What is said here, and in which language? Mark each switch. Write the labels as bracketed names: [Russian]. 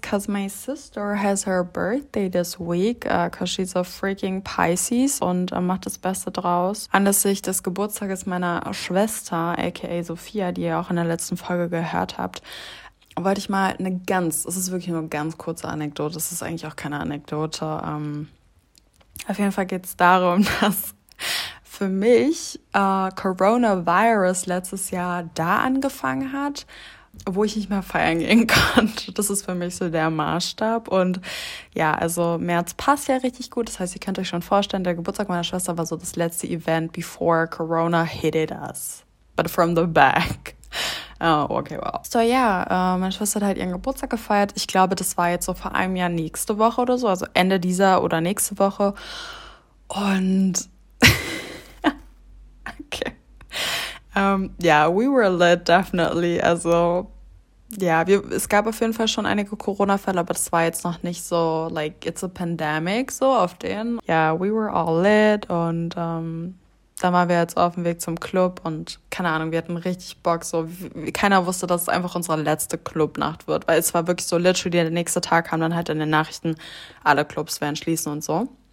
[English] Cause my sister has her birthday this week. Cause she's a freaking Pisces [German] und macht das Beste draus. Anlässlich des Geburtstages meiner Schwester, aka Sophia, die ihr auch in der letzten Folge gehört habt, wollte ich mal eine ganz, es ist wirklich nur eine ganz kurze Anekdote, es ist eigentlich auch keine Anekdote. Auf jeden Fall geht es darum, dass für mich Coronavirus letztes Jahr da angefangen hat, wo ich nicht mehr feiern gehen konnte. Das ist für mich so der Maßstab. Und ja, also März passt ja richtig gut. Das heißt, ihr könnt euch schon vorstellen, der Geburtstag meiner Schwester war so das letzte Event, [English] before Corona hit us. But from the back. Oh, okay, wow. So, [German] ja, meine Schwester hat halt ihren Geburtstag gefeiert. Ich glaube, das war jetzt so vor einem Jahr nächste Woche oder so, also Ende dieser oder nächste Woche. Und ja, [English] we were lit, definitely. [German] Also, ja, es gab auf jeden Fall schon einige Corona-Fälle, aber das war jetzt noch nicht so, [English] like, it's a pandemic, [German] so auf den. Ja, [English] we were all lit [German] und da waren wir jetzt auf dem Weg zum Club und keine Ahnung, wir hatten richtig Bock. Keiner wusste, dass es einfach unsere letzte Clubnacht wird, weil es war wirklich so literally der nächste Tag, kam dann halt in den Nachrichten, alle Clubs werden schließen und so.